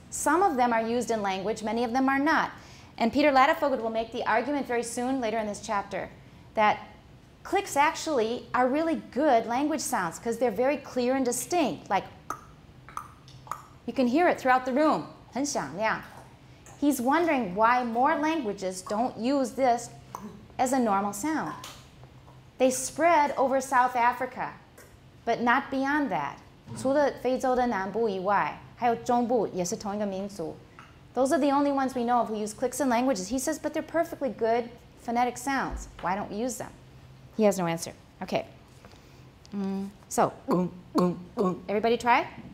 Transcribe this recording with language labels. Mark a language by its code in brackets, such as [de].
[en] Some of them are used in language, many of them are not. And Peter Latifoglu will make the argument very soon, later in this chapter, that clicks actually are really good language sounds because they're very clear and distinct, like you can hear it throughout the room. 很响, yeah. He's wondering why more languages don't use this as a normal sound. They spread over South Africa, but not beyond that. [zh] 除了非洲的南部以外, 还有中部也是同一个民族. [en] Those are the only ones we know of who use clicks in languages. He says, but they're perfectly good phonetic sounds. Why don't we use them? He has no answer. Okay. So, everybody try?